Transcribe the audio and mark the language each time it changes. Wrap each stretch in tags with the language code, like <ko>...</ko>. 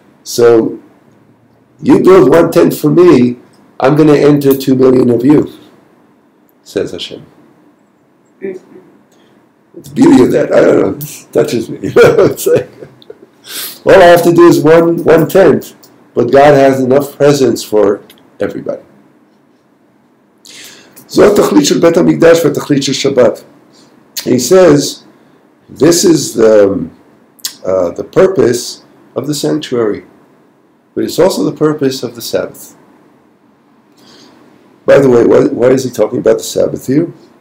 <en>So, you build one tent for me, I'm going to enter 2 million of you, says Hashem. Mm-hmm. The beauty of that, I don't know, it touches me. It's like, all I have to do is one tent, but God has enough presence for everybody.</en> <he>זו התכלית של בית המקדש והתכלית של שבת.</he> <en>He says, this is the purpose of the sanctuary, but it's also the purpose of the Sabbath. By the way, why is he talking about the Sabbath here?</en>